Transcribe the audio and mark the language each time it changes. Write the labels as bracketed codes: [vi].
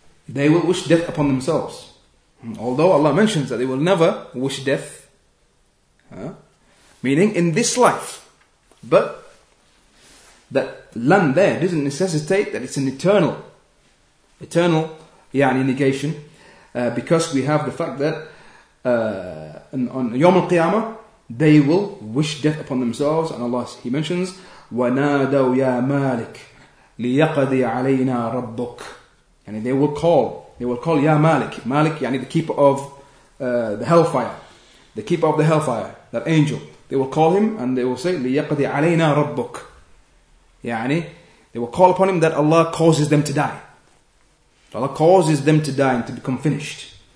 [en] They will wish death upon themselves. Although Allah mentions that they will never wish death, meaning in this life. But that lan there doesn't necessitate that it's an eternal يعني, negation, because we have the fact that on Yawm al-Qiyamah, they will wish death upon themselves. And Allah, He mentions, [ar] وَنَادَوْ يَا مَالِكَ لِيَقَضِي عَلَيْنَا رَبُّكَ. [en] And they will call. They will call, [ar] يَا مَالِكَ. مَالِكَ, [en] يعني the keeper of the hellfire. The keeper of the hellfire, that angel. They will call him and they will say, [ar] لِيَقَضِي عَلَيْنَا رَبُّكَ. [en] يعني, they will call upon him that Allah causes them to die. Allah causes them to die and to become finished.